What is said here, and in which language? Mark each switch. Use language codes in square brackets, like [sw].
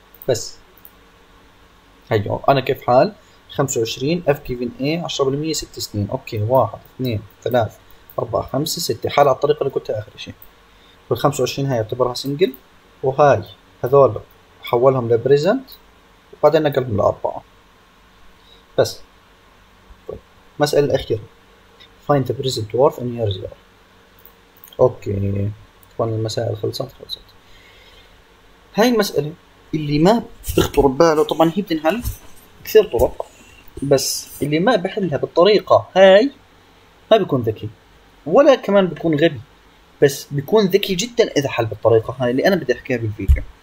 [ar] بس هيو أنا كيف حال 25 اف جيفن اي 10% 6 سنين. اوكي 1 2 3 4 5 6 حال على الطريقة اللي قلتها آخر شيء. وال 25 هاي اعتبرها سنجل، وهاي هذول حولهم لبريزنت وبعدين نقلهم لأربعة. بس طيب المسألة الأخيرة [en] find the present worth in year 0. [ar] اوكي طبعا المسائل خلصت خلصت. هاي المسألة اللي ما بتخطر بباله، طبعا هي بتنحل كثير طرق، بس اللي ما بحلها بالطريقة هاي ما بيكون ذكي ولا كمان بيكون غبي، بس بيكون ذكي جدا اذا حل بالطريقه هاي اللي انا بدي احكيها بالفيديو.